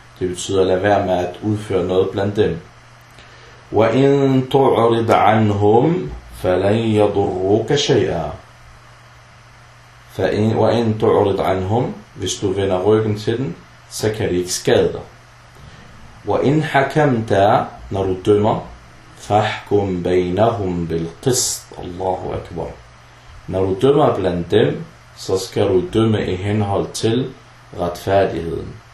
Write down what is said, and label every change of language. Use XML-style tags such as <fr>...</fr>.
<da>Det betyder at lade være med at udføre noget blandt dem.</da> <ar>وَإِنْ تُعْرِدْ عَنْهُمْ فَلَنْ يَضُرُّكَ شَيْئًا. وَإِنْ تُعْرِدْ عَنْهُمْ,</ar> <da>hvis du vender ryggen til den, så kan det ikke skade dig.</da> <ar>وَإِنْ حَكَمْتَ,</ar> <da>når du dømmer,</da> <ar>فَحْكُمْ بَيْنَهُمْ بِالْقِسْطِ. Allahu Akbar.</ar> <da>Når du dømmer blandt dem, så skal du dømme i henhold til retfærdigheden.</da>